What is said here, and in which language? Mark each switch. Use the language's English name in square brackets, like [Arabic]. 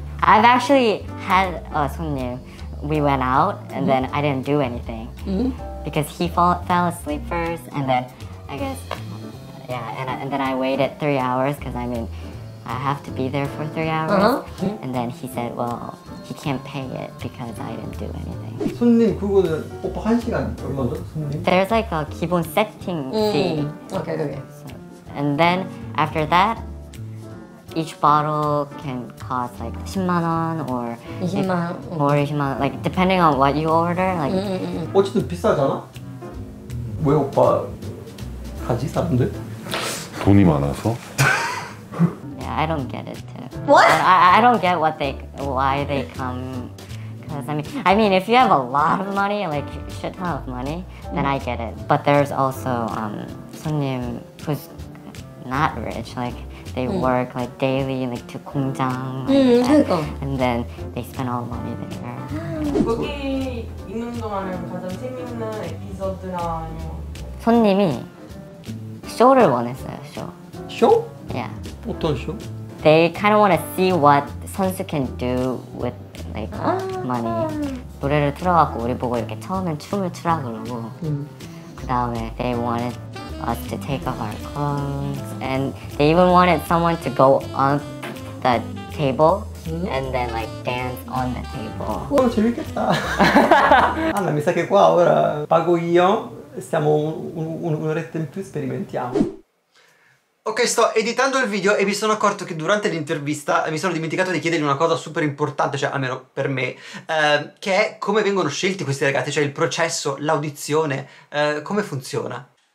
[English] I've actually had someone new. We went out and mm-hmm. then I didn't do anything mm-hmm. because he fell asleep first, and then I guess yeah, and then I waited 3 hours because I mean I have to be there for 3 hours, uh-huh. and then he said, well, he can't pay it because I didn't do anything. [Korean] 손님 그거는 오빠 한 시간 얼마죠, 손님? [English] There's like a [Korean] 기본 [English] setting fee. Okay, okay. So, and then after that, each bottle can cost like [Korean] 10만 원 [English] or [Korean] 20만 원, [English] like, [Korean] 20만 원, [English] like depending on what you order. Like, [Korean] 어쨌든 비싸잖아. 왜 오빠 가지 사람들? 돈이 많아서. [English] Yeah, I don't get it too. What? I don't get why they come. Cause I mean, if you have a lot of money, like shit ton of money, then I get it. But there's also [Korean] 손님 [English] who's not rich, like. They work like daily, like to [Korean] 공장. [English] Like and then they spend all the money there. [Korean] 거기 있는 동안에 가장 재밌는 에피소드나 아니면 손님이 쇼를 원했어요. 쇼. 쇼? [English] Yeah. [Korean] 어떤 쇼? [English] They kind of want to see what [Korean] 선수 [English] can do with like money. [Korean] 노래를 틀어갖고 우리 보고 이렇게 처음엔 춤을 추라 그러고 그 다음에 [English] they wanted. Us to take off our clothes, and they even wanted someone to go on the table mm-hmm. and then like dance on the table. [Korean] Oh, 재밌겠다. [Italian] Allora, mi sa che qua ora pago io. Stiamo un'oretta in più, sperimentiamo. Ok, sto editando il video e mi sono accorto che durante l'intervista mi sono dimenticato di chiedergli una cosa super importante, cioè almeno per me, che è come vengono scelti questi ragazzi, cioè il processo, l'audizione, come funziona.